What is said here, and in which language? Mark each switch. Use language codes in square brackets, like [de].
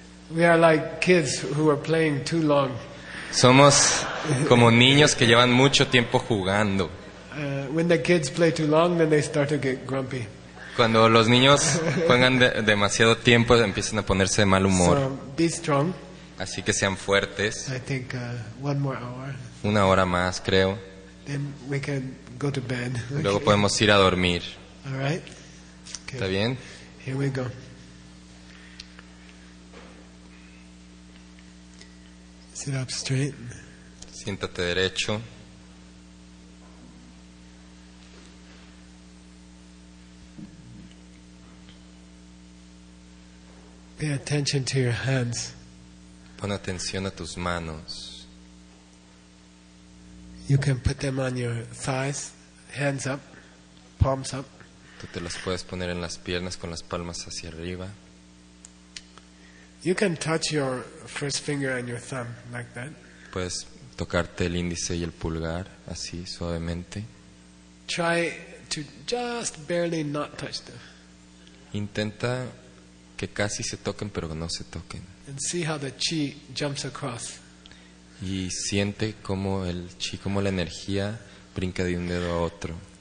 [en] We are like kids who are playing too long. [es] Somos como niños que llevan mucho tiempo jugando. [en] When the kids play too long, then they start to get grumpy. [es] Cuando los niños juegan demasiado tiempo, empiezan a ponerse de mal humor. [en] So, be strong. [es] Así que sean fuertes. [en] I think one more hour. [es] Una hora más, creo. [en] Then we can go to bed. [es] Luego podemos ir a dormir. [en] All right. [es] Okay. ¿Está bien? [en] Here we go. Sit up straight. [es] Siéntate derecho. [en] Pay attention to your hands. [es] Pon atención a tus manos. [en] You can put them on your thighs, hands up, palms up. [es] Tú te las puedes poner en las piernas con las palmas hacia arriba. [en] You can touch your first finger and your thumb like that. [es] Puedes tocarte el índice y el pulgar así suavemente. [en] Try to just barely not touch them. [es] Intenta que casi se toquen pero no se toquen. [en] And see how the chi jumps across. [es] Y siente cómo el chi, cómo la energía brinca de un dedo a otro.